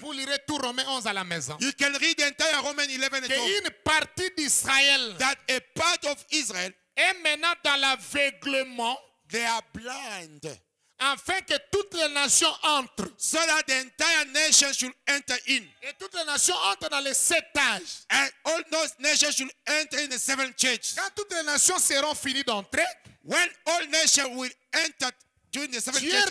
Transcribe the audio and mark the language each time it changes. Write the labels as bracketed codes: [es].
[fr] Vous lirez tout Romains 11 à la maison. [en] You can read the entire Romans 11 [fr] que une partie d'Israël. [en] That a part of Israel. [fr] Est maintenant dans l'aveuglement. [en] They are blind. [fr] Afin que toutes les nations entrent. [en] So that the entire nation should enter in. [fr] Et toutes les nations entrent dans les sept âges. [en] And all those nations should enter in the seven churches. [fr] Quand toutes les nations seront finies d'entrer. [en] When all nations will enter during the seven churches.